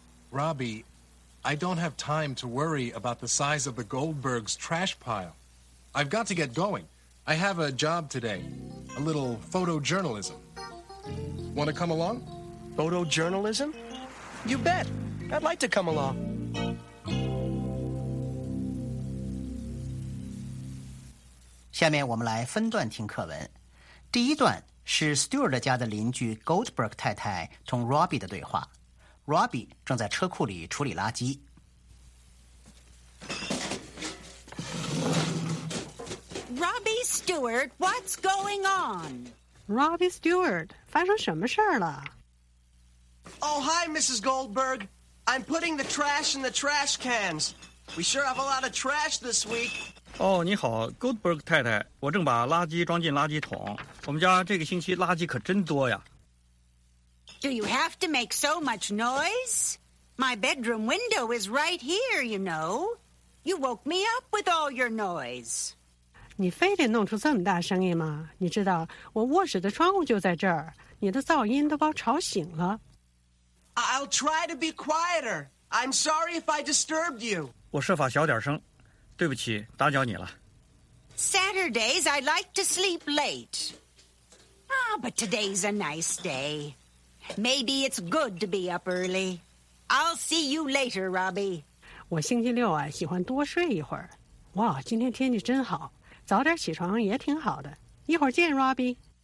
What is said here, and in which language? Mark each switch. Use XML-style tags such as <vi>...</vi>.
<en>Robbie, I don't have time to worry about the size of the Goldbergs' trash pile. I've got to get going. I have a job today. A little photojournalism. Want to come along? Photojournalism? You bet. I'd like to come along.</en> <zh>下面我们来分段听课文。第一段是 Stewart 家的邻居 Goldberg 太太同 Robbie 的对话。 Robbie 正在车库里处理垃圾。</zh> <en>Robbie Stewart, what's going on?</en> <zh>Robbie Stewart, 发生什么事了？</zh> <en>Oh, hi, Mrs. Goldberg. I'm putting the trash in the trash cans. We sure have a lot of trash this week.</en> <zh>Oh, 你好 ,Goldberg 太太。我正把垃圾装进垃圾桶。我们家这个星期垃圾可真多呀。</zh> <en>Do you have to make so much noise? My bedroom window is right here, you know. You woke me up with all your noise.</en> <zh>你非得弄出这么大声音吗？你知道我卧室的窗户就在这儿，你的噪音都把我吵醒了。</zh> <en>I'll try to be quieter. I'm sorry if I disturbed you.</en> <zh>我设法小点声，对不起，打搅你了。</zh> <en>Saturdays I like to sleep late. Ah, but today's a nice day. Maybe it's good to be up early. I'll see you later, Robbie.</en> <zh>我星期六啊，喜欢多睡一会儿。哇，今天天气真好。早点起床也挺好的。一会儿见 ，Robbie。</zh>